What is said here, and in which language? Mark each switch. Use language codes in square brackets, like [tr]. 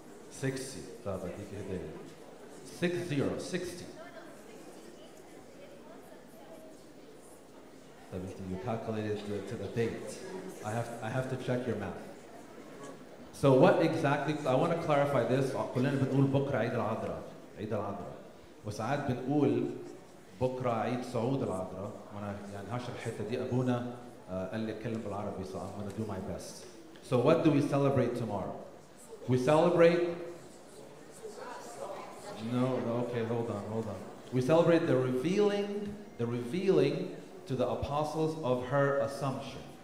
[en] 60. 60. You calculated to the date. I have to check your math. So what exactly, I want to clarify this. [ar] كلنا بنقول بكرة عيد العذراء. عيد العذراء. وساعات بنقول بكرة عيد صعود العذراء. وانا يعني هشرح حتة دي ابونا قال لي اتكلم بالعربي. [en] So I'm going to do my best. So what do we celebrate tomorrow? We celebrate? No, okay, hold on. We celebrate the revealing to the apostles of her assumption.